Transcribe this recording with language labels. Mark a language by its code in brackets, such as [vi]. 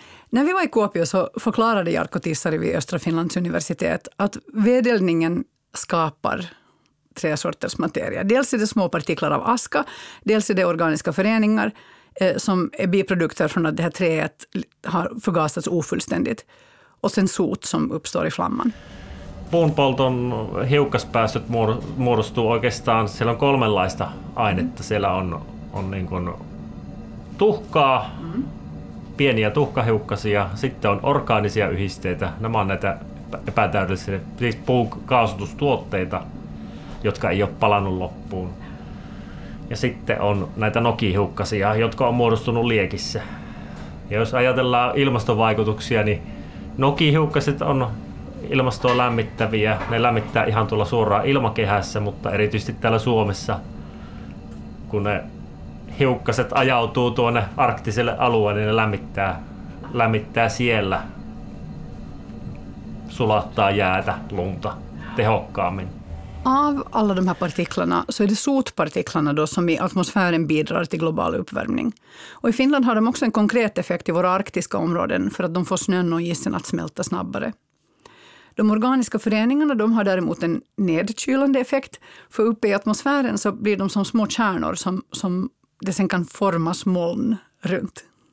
[sv] När vi var i Kuopio så förklarade Jarkko Tissari vid Östra Finlands universitet att vedeldningen skapar tre sorters materia. Dels är det små partiklar av aska, dels är det organiska föreningar som är biprodukter från att det här träet har förgasats ofullständigt. Och sen sot som uppstår i flamman. [fi] Puunpolton hiukkaspäästöt muodostuu oikeastaan, siellä on kolmenlaista ainetta. Siellä on niin kuin tuhkaa, pieniä tuhkahiukkasia, sitten on orgaanisia yhdisteitä. Nämä on näitä epätäydellisiä, siis puun kaasutustuotteita, jotka ei ole palannut loppuun. Ja sitten on näitä nokihiukkasia, jotka on muodostunut liekissä. Ja jos ajatellaan ilmastovaikutuksia, niin nokihiukkaset on ilmastoa lämmittäviä. Ne lämmittää ihan tuolla suoraan ilmakehässä, mutta erityisesti täällä Suomessa, kun ne hiukkaset ajautuu tuonne arktiselle alueelle, niin ne lämmittää siellä, sulattaa jäätä, lunta tehokkaammin. [sv] Av alla de här partiklarna så är det sotpartiklarna då som i atmosfären bidrar till global uppvärmning. Och i Finland har de också en konkret effekt i våra arktiska områden för att de får snön och isen att smälta snabbare. De organiska föreningarna de har däremot en nedkylande effekt, för uppe i atmosfären så blir de som små kärnor som det sen kan formas moln runt.